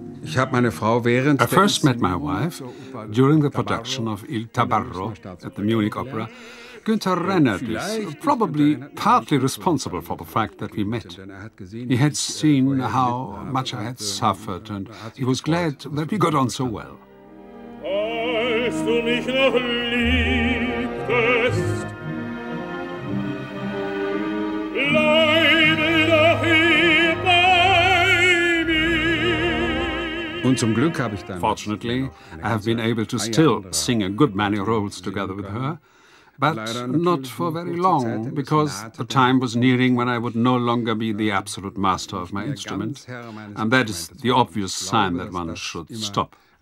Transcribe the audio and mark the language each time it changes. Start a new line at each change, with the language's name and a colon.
English: I first met my wife during the production of Il Tabarro at the Munich Opera. Günther Rennert is probably partly responsible for the fact that we met. He had seen how much I had suffered, and he was glad that we got on so well.
German: Als du mich noch liebtest, bleibe doch hier bei mir. Und zum Glück habe ich dann.
English: Fortunately, I have been able to still sing a good many roles together with her. But not for very long, because the time was nearing when I would no longer be the absolute master of my instrument, and that is the obvious sign that one should stop.